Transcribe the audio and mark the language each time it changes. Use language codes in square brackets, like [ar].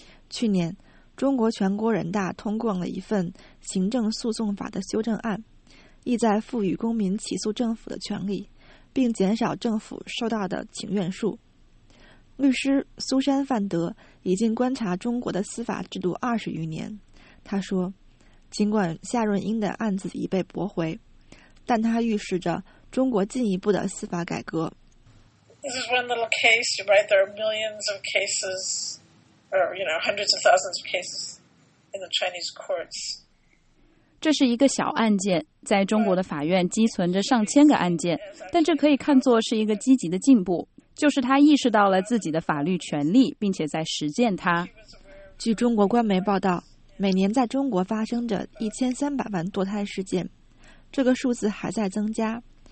[zh] 去年，中国全国人大通过了一份行政诉讼法的修正案，意在赋予公民起诉政府的权利，并减少政府收到的请愿数。律师苏珊·范德已经观察中国的司法制度20余年，他说，尽管夏润英的案子已被驳回，但他预示着中国进一步的司法改革。 [en] This is one little case, right? There are millions of cases, or you know, hundreds of thousands of cases in the Chinese courts. [zh] 这是一个小案件，在中国的法院积存着上千个案件，但这可以看作是一个积极的进步，就是他意识到了自己的法律权利，并且在实践它。据中国官媒报道，每年在中国发生着1300万堕胎事件，这个数字还在增加。